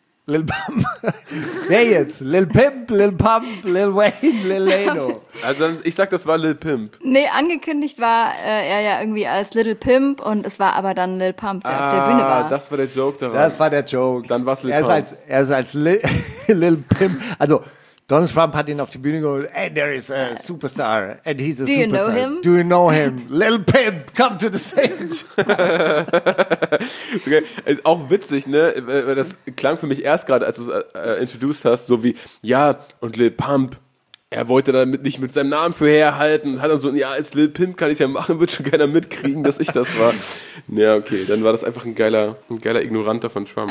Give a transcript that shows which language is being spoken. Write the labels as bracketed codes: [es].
[de] Lil Pump. Wer jetzt? Lil Pimp, Lil Pump, Lil Wayne, Lil Lano. Also ich sag, das war Lil Pimp. Nee, angekündigt war er ja irgendwie als Lil Pimp und es war aber dann Lil Pump, der auf der Bühne war. Das war der Joke daran. Das war der Joke. Dann war es Lil Pump. Er ist als Lil Pimp. Also Donald Trump hat ihn auf die Bühne geholt. [en] Hey, there is a superstar and he's a superstar. Do you know him? Do you know him? Lil Pimp, come to the stage. [de] Okay. Auch witzig, ne? Das klang für mich erst gerade, als du es introduced hast, so wie, ja, und Lil Pump, er wollte damit nicht mit seinem Namen für herhalten. Hat dann so, ja, als Lil Pimp kann ich ja machen, wird schon keiner mitkriegen, dass ich das war. Ja, okay, dann war das einfach ein geiler Ignoranter von Trump.